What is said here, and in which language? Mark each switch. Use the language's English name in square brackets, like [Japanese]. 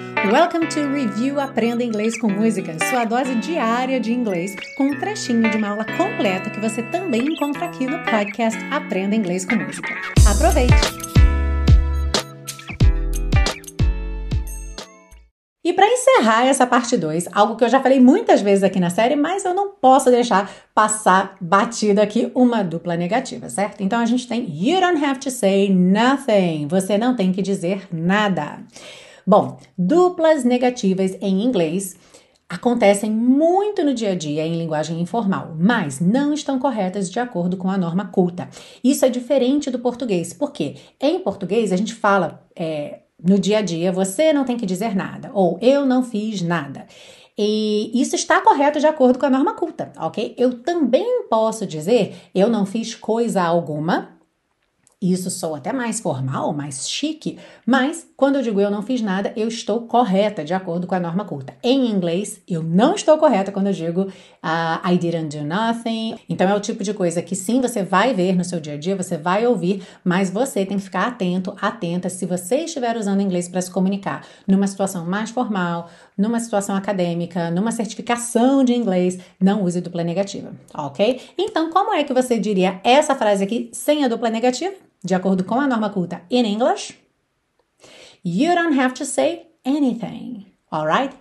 [English] Welcome to [Portuguese] Review Aprenda Inglês com Música, sua dose diária de inglês, com um trechinho de uma aula completa que você também encontra aqui no podcast Aprenda Inglês com Música. Aproveite! E para encerrar essa parte 2, algo que eu já falei muitas vezes aqui na série, mas eu não posso deixar passar batida aqui uma dupla negativa, certo? Então a gente tem [English] You don't have to say nothing. [Portuguese] Você não tem que dizer nada. Bom, duplas negativas em inglês acontecem muito no dia a dia em linguagem informal, mas não estão corretas de acordo com a norma culta. Isso é diferente do português, porque em português a gente fala no dia a dia, você não tem que dizer nada, ou eu não fiz nada. E isso está correto de acordo com a norma culta, ok? Eu também posso dizer, eu não fiz coisa alguma. Isso soa até mais formal, mais chique, mas quando eu digo eu não fiz nada, eu estou correta de acordo com a norma culta. Em inglês, eu não estou correta quando eu digo [English] I didn't do nothing. [Portuguese] Então é o tipo de coisa que sim, você vai ver no seu dia a dia, você vai ouvir, mas você tem que ficar atento, atenta, se você estiver usando inglês para se comunicar numa situação mais formal, numa situação acadêmica, numa certificação de inglês, não use dupla negativa, ok? Então como é que você diria essa frase aqui sem a dupla negativa? De acordo com a norma culta [English] in English, you don't have to say anything, all right?